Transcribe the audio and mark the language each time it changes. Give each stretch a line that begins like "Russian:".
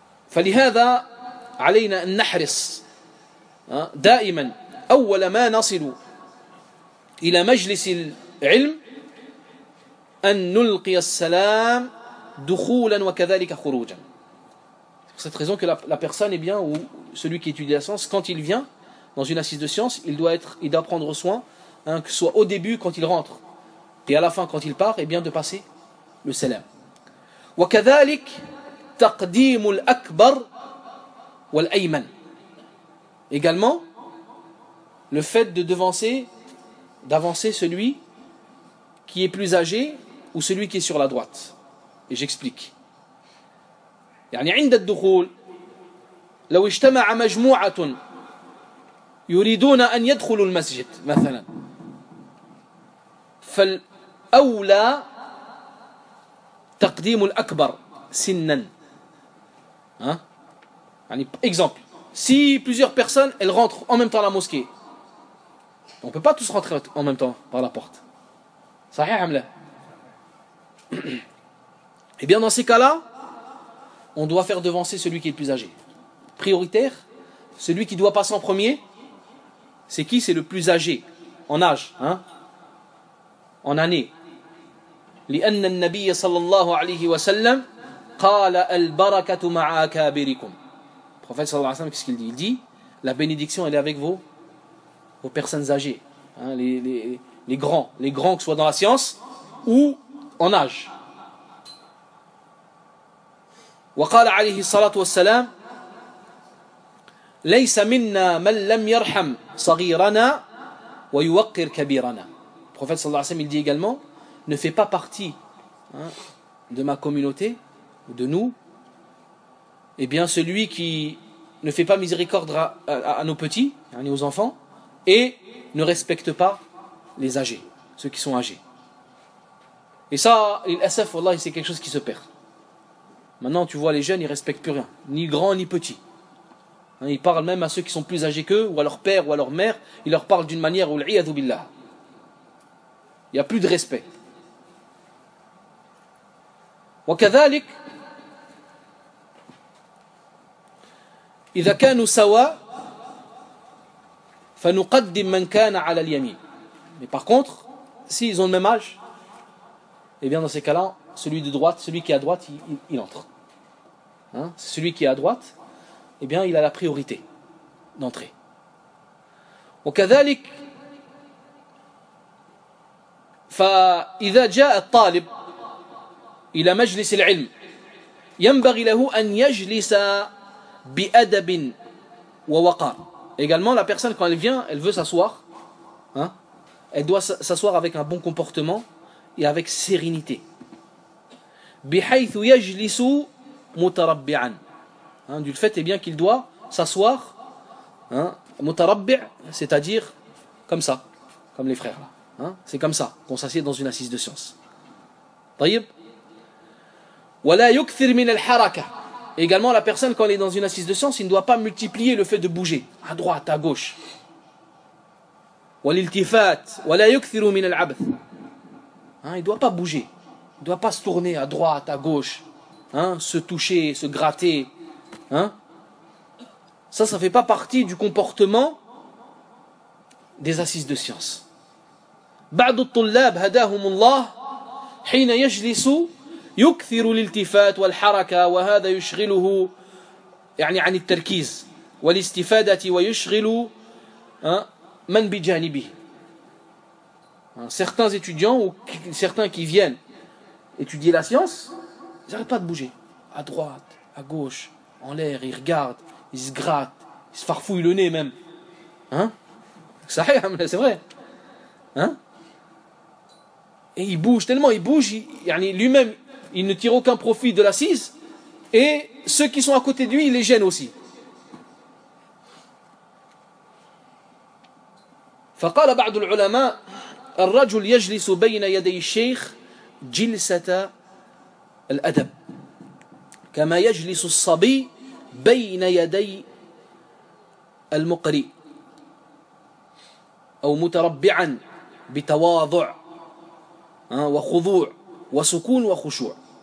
Arabic: فلهذا علينا أن نحرص دائما أول ما نصل إلى مجلس العلم أن نلقي السلام دخولا وكذلك خروجا.
French: Pour cette raison que la personne est bien, ou celui qui étudie la science, quand il vient dans une assise de science, il doit prendre soin que ce soit au début quand il rentre et à la fin quand il part, et bien de passer le salam.
Arabic: وكذلك تقديم الأكبر والأيمن.
French: Également, le fait de d'avancer celui qui est plus âgé ou celui qui est sur la droite. Et j'explique. يعني
Arabic: عند الدخول لو اجتمع مجموعة يريدون أن يدخلوا المسجد مثلا، فالأولى تقديم الأكبر سنا.
French: يعني exemple, si plusieurs personnes elles rentrent en même temps à la mosquée, on peut pas tous rentrer en même temps par la porte.
Arabic: صحيح عملا.
French: Et bien dans ces cas-là, on doit faire devancer celui qui est le plus âgé. Prioritaire, celui qui doit passer en premier, c'est qui? C'est le plus âgé en âge, hein? En année.
Arabic: لأن النبي صلى الله عليه وسلم قال البركة مع أكابركم.
French: Le prophète صلى الله عليه وسلم, qu'est-ce qu'il dit? Il dit la bénédiction elle est avec vos personnes âgées, hein, les grands, que ce soit dans la science ou en âge.
Arabic: وقال عليه الصلاة والسلام ليس منا من لم يرحم صغيرنا ويوقر كبيرنا.
French: Le prophète صلى الله عليه وسلم il dit également ne fait pas partie, hein, de ma communauté, de nous, eh bien celui qui ne fait pas miséricorde à nos petits, ni aux enfants, et ne respecte pas les âgés, ceux qui sont âgés. Et ça, l'SF, wallah, c'est quelque chose qui se perd. Maintenant, tu vois, les jeunes, ils ne respectent plus rien, ni grands, ni petits. Hein, ils parlent même à ceux qui sont plus âgés qu'eux, ou à leur père, ou à leur mère, ils leur parlent d'une manière où l'iyadou billah. Il n'y a plus de respect.
Arabic: وكذلك إذا كانوا سواء فنقدم من كان على اليمين.
French: Mais par contre, s'ils ont le même âge, eh bien dans ces cas-là, celui de droite, celui qui est à droite, il entre. Hein? Celui qui est à droite, eh bien il a la priorité d'entrer.
Arabic: وكذلك فإذا جاء الطالب إلى مجلس العلم ينبغي له أن يجلس بأدب ووقار.
French: Également, la personne quand elle vient, elle veut s'asseoir, hein? Elle doit s'asseoir avec un bon comportement et avec sérénité.
Arabic: بحيث يجلس متربعا. Hein?
French: Du fait, eh bien, qu'il doit s'asseoir, hein? متربع, c'est-à-dire comme ça, comme les frères. Hein? C'est comme ça qu'on s'assied dans une assise de science.
Arabic: طيب. ولا يكثر من الحركة.
French: Également, la personne quand elle est dans une assise de science, il ne doit pas multiplier le fait de bouger à droite, à gauche.
Arabic: والالتفات ولا يكثر من العبث.
French: Hein, il ne doit pas bouger, il ne doit pas se tourner à droite, à gauche, hein, se toucher, se gratter. Hein, ça ne fait pas partie du comportement des assises de science.
Arabic: بعض الطلاب هداهم الله حين يجلسوا يكثر الالتفات والحركة وهذا يشغله يعني عن التركيز والاستفادة ويشغل من بجانبه.
French: Certains étudiants ou certains qui viennent étudier la science, ils n'arrêtent pas de bouger à droite, à gauche, en l'air, ils regardent, ils se grattent, ils se farfouillent le nez même. Hein? C'est vrai. Hein? Et ils bougent tellement, ils bougent, yani lui-même il ne tire aucun profit de l'assise et ceux qui sont à côté de lui, il les gêne aussi.
Arabic: فقال بعض العلماء الرجل يجلس بين يدي الشيخ جلسة الأدب كما يجلس الصبي بين يدي المقري أو متربعا بتواضع وخضوع وسكون وخشوع.